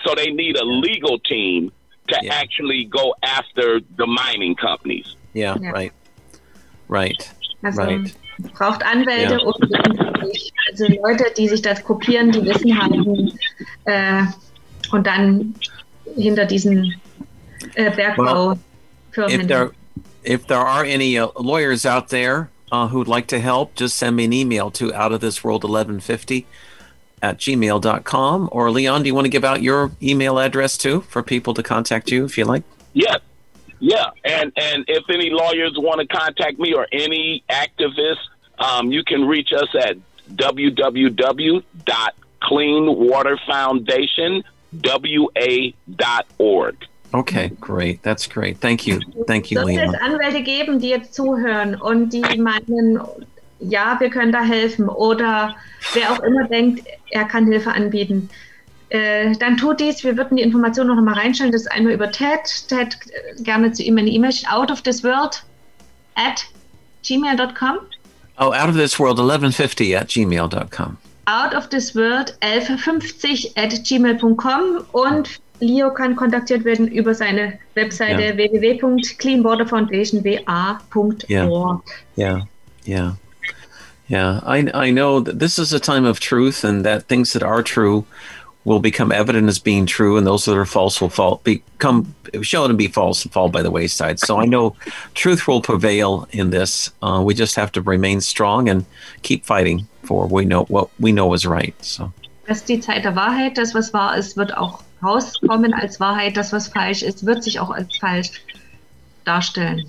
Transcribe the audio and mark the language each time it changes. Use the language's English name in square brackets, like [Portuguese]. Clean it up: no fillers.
[English] So they need a legal team to actually go after the mining companies. Yeah, right. Right. [German] Also, [English] right. [German] Braucht Anwälte und also Leute, die sich das kopieren, die Wissen haben und dann hinter diesen Bergbaufirmen. [English] If there are any lawyers out there who'd like to help, just send me an email to outofthisworld1150@gmail.com. Or Leon, do you want to give out your email address too for people to contact you if you like? Yeah. And if any lawyers want to contact me or any activists, you can reach us at www.cleanwaterfoundationwa.org. Okay, great. That's great. Thank you, Leon. [German] Es wird Anwälte geben, die jetzt zuhören und die meinen, ja, wir können da helfen, oder wer auch immer denkt, er kann Hilfe anbieten. Dann tut dies, wir würden die Information noch einmal reinstellen, das ist einmal über Ted, gerne zu ihm eine E-Mail, outofthisworld@gmail.com. [English] Oh, outofthisworld1150@gmail.com. [German] outofthisworld1150@gmail.com, und Leo kann kontaktiert werden über seine Webseite www.cleanwaterfoundationwa.org. [English] I know that this is a time of truth, and that things that are true will become evident as being true, and those that are false will fall by the wayside. So I know truth will prevail in this. We just have to remain strong and keep fighting for what we know is right. So [German] das ist die Zeit der Wahrheit, das was wahr ist, wird auch rauskommen als Wahrheit, das, was falsch ist, wird sich auch als falsch darstellen.